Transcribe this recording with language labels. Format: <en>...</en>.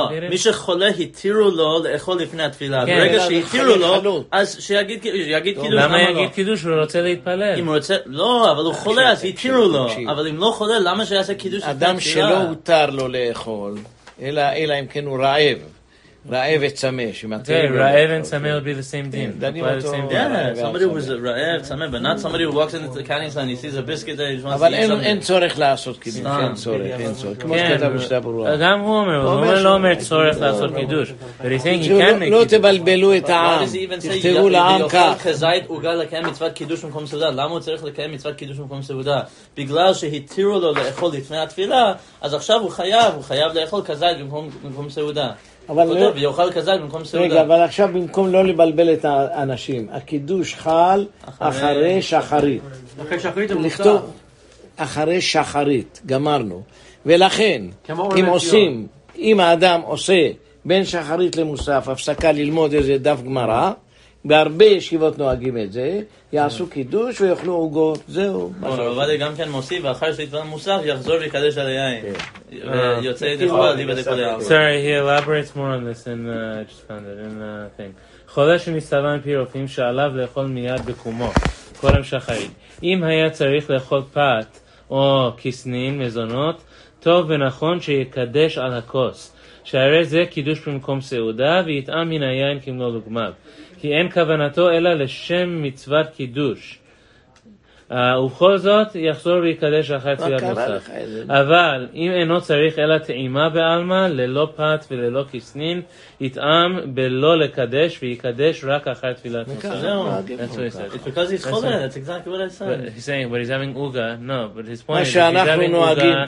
<he>מי שחולה התירו לו לאכול לפני התפילה ברגע שהתירו לו אז שיגיד קידוש למה יגיד קידוש הוא רוצה להתפלל לא אבל הוא חולה אז התירו לו אבל אם לא חולה למה שיעשה קידוש אדם שלא הותר לו לאכול אלא אם כן הוא רעב רעב וצמא, שמתאים. רעב וצמא</he> <en>would be the same thing. Somebody was רעב, צמא, but not somebody who walks into the candy stand and he sees a biscuit there.</en> <he>אבל אין צורך לעשות קידוש. אין צורך. כמו שכתב משנה ברורה. גם הוא אומר, הוא אומר לא אומר צורך לעשות קידוש.</he> <en>But he's saying you can make</en> <he>קידוש. לא תבלבלו את העם. תכתבו לעם כך. חזית עוגה לקיים מצוות קידוש במקום סעודה. למה הוא צריך לקיים מצוות קידוש במקום סעודה? בגלל שהתירו לו לאכול לפני התפילה, אז עכשיו הוא חייב לאכול חזית במקום סעודה. אבל עכשיו במקום לא לבלבל את האנשים, הקידוש חל אחרי שחרית. אחרי שחרית המוסף. אחרי שחרית, גמרנו. ולכן, אם עושים, אם האדם עושה בין שחרית למוסף, הפסקה ללמוד איזה דף גמרא, בהרבה ישיבות נוהגים את זה, יעשו קידוש ויאכלו עוגות, זהו. עובדיה גם כן מוסיף, ואחר שיתפלל מוסף, יחזור ויקדש על היין. ויוצא ידי חובה, דיבה דקודי.</he> <en>Sorry, he elaborates more on this, and I just found it in the thing.</en> <he>חולה שמסתבר מפי רופאים שעליו לאכול מיד בקומו, קודם שחרית. אם היה צריך לאכול פת או כסנין, מזונות, טוב ונכון שיקדש על הכוס, שהרי זה קידוש במקום סעודה, ויתאם מן היין כמו לוגמיו. כי אין כוונתו אלא לשם מצוות קידוש. ובכל זאת יחזור ויקדש אחר תפילת מוסף. אבל אם אינו צריך אלא טעימה בעלמא, ללא פת וללא כסנין, יתאם בלא לקדש ויקדש רק אחר תפילת מוסף.</he> <en>That's what he said. It's because he's chulen. That's exactly what I said. He's saying, but he's having uga. No, but his point is, he's having uga</en>